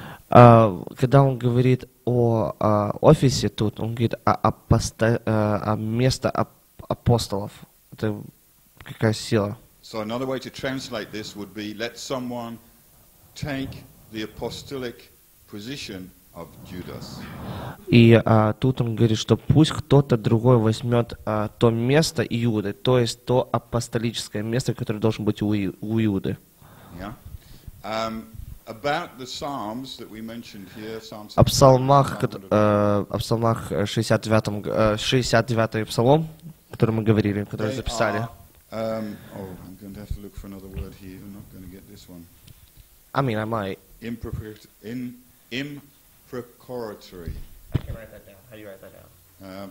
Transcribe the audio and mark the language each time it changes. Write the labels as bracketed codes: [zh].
[ru] Когда он говорит о офисе тут, он говорит о место апостолов. Это какая сила? [en] So another way to translate this would be let someone take the apostolic position of Judas. [ru] И тут он говорит, что пусть кто-то другой возьмет то место Иуды, то есть то апостолическое место, которое должно быть у Иуды. [en] Yeah. About the Psalms that we mentioned here, Psalms. [ru] Об псалмах 69-й псалом, который мы говорили, который записали. [en] I'm going to have to look for another word here. I'm not going to get this one. I mean, I might. Imprecatory. I can write that down. How do you write that down?